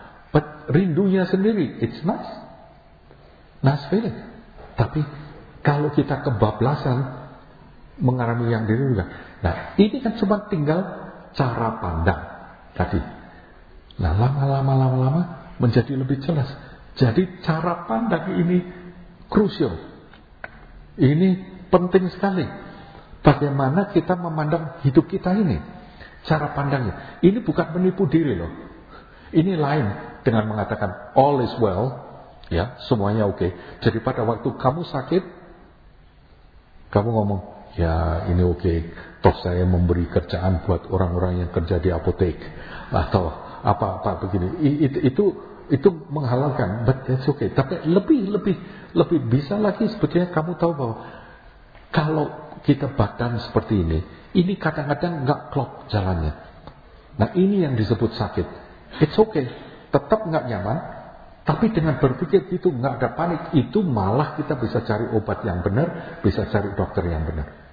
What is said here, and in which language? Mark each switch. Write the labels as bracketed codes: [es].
[en] But [id] rindunya sendiri, [en] it's nice. Nice feeling. [id] Tapi kalau kita kebablasan mengalami yang dirindukan. Nah, ini kan cuma tinggal cara pandang tadi. Nah, lama-lama menjadi lebih jelas. Jadi cara pandang ini krusial. Ini penting sekali. Bagaimana kita memandang hidup kita ini. Cara pandangnya. Ini bukan menipu diri loh. Ini lain dengan mengatakan [en] all is well. [id] Ya, semuanya oke. Jadi pada waktu kamu sakit, kamu ngomong, ya ini oke. Toh saya memberi kerjaan buat orang-orang yang kerja di apotek. Atau apa-apa begini. Itu menghalalkan, [en] but that's okay. [id] Tapi lebih bisa lagi sebetulnya kamu tahu bahwa kalau kita badan seperti ini kadang-kadang enggak klop jalannya. Nah, ini yang disebut sakit. [en] It's okay. [id] Tetap enggak nyaman, tapi dengan berpikir itu enggak ada panik, itu malah kita bisa cari obat yang benar, bisa cari dokter yang benar.